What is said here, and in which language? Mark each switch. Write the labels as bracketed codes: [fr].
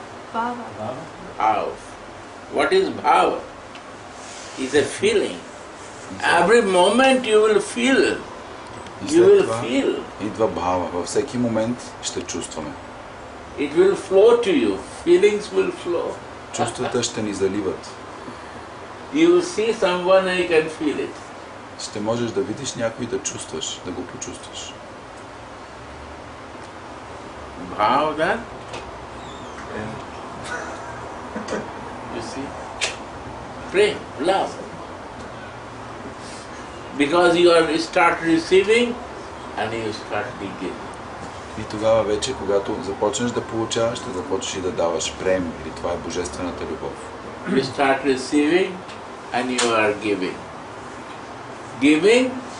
[en] Bhava. What is bhava? Is a feeling. Every moment you will feel. You will feel. [bg] Идва бхава. Във всеки момент ще чувстваме. [en] It will flow to you. Feelings will flow. [bg] Чувствата ще ни заливат. [en] You will see someone and you can feel it. [bg] Ще можеш да видиш някой да чувстваш, да го почувстваш. [en] Бхава, да? Yeah. You see? Pray, love. Because you are start receiving and you start to give. [bg] И тогава вече, когато започнеш да получаваш, ще започнеш и да даваш прем, или това е Божествената любов. [en] You start receiving and you are giving. Giving